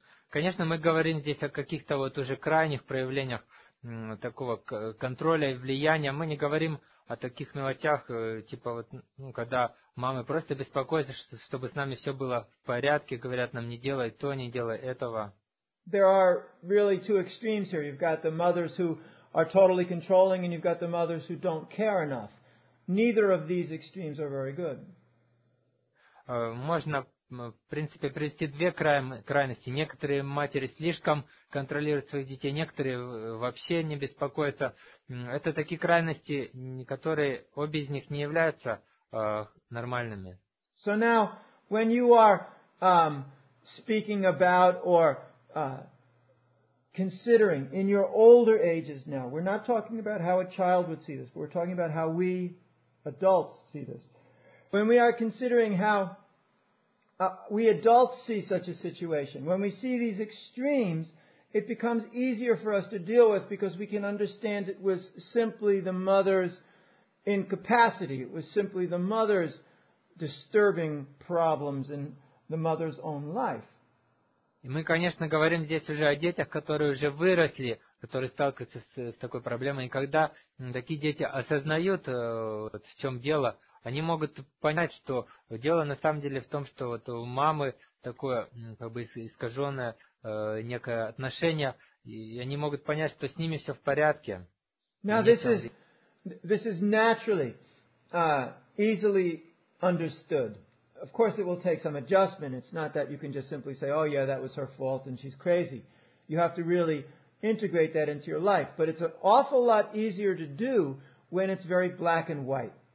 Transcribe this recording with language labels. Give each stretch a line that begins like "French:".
Russian: Конечно, мы говорим здесь о каких-то вот уже крайних проявлениях такого контроля и влияния. Мы не говорим о таких мелочах, типа вот, ну, когда мамы просто беспокоятся, чтобы с нами все было в порядке, говорят нам, не делай то, не делай этого.
English: There are really two extremes here. You've got the mothers who are totally controlling, and you've got the mothers who don't care enough. Neither of these extremes are very good.
Russian: Можно в принципе, привести две крайности. Некоторые матери слишком контролируют своих детей, некоторые вообще не беспокоятся. Это такие крайности, которые обе из них не являются нормальными.
English: So now, when you are speaking about or considering in your older ages now, we're not talking about how a child would see this, but we're talking about how we adults see this. When we are considering how we adults see such a situation. When we see these extremes, it becomes easier for us to deal with because we can understand it was simply the mother's incapacity. It was simply the mother's disturbing problems in the mother's own life.
Russian: И мы, конечно, говорим здесь уже о детях, которые уже выросли, которые сталкиваются с такой проблемой. И когда такие дети осознают, вот, в чем дело, они могут понять, что дело на самом деле в том, что вот у мамы такое как бы искаженное некое отношение, и они могут понять, что с ними все в порядке.
English: Now this is naturally easily understood. Of course, it will take some adjustment. It's not that you can just simply say, oh yeah, that was her fault and she's crazy. You have to really integrate that into your life. But it's an awful lot easier to do when it's very black and white.